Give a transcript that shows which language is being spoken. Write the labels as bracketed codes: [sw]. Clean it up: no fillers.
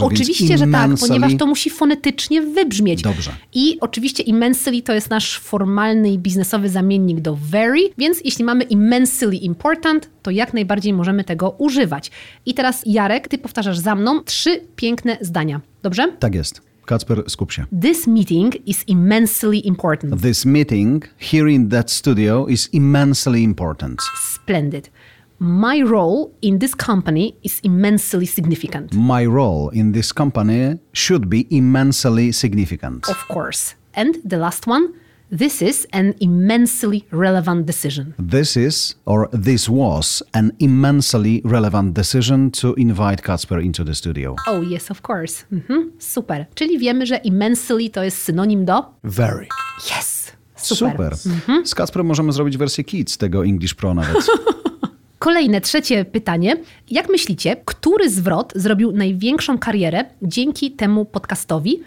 [pl] No oczywiście, że tak, ponieważ to musi fonetycznie wybrzmieć. Dobrze. I oczywiście immensely to jest nasz formalny i biznesowy zamiennik do very, więc jeśli mamy immensely important, to jak najbardziej możemy tego używać. I teraz Jarek, ty powtarzasz za mną trzy piękne zdania, dobrze? Tak jest. Kacper, skup się. [en] This meeting is immensely important. This meeting here in that studio is immensely important. Splendid. My role in this company is immensely significant. My role in this company should be immensely significant. Of course. And the last one, this is an immensely relevant decision. This was an immensely relevant decision to invite Kacper into the studio. Oh yes, of course. Mm-hmm. Super. [pl] Czyli wiemy, że immensely to jest synonim do... [en] Very. Yes. [pl] Super. Mm-hmm. Z Kacperem możemy zrobić wersję kids tego English Pro nawet. Kolejne, trzecie pytanie. Jak myślicie, który zwrot zrobił największą karierę dzięki temu podcastowi?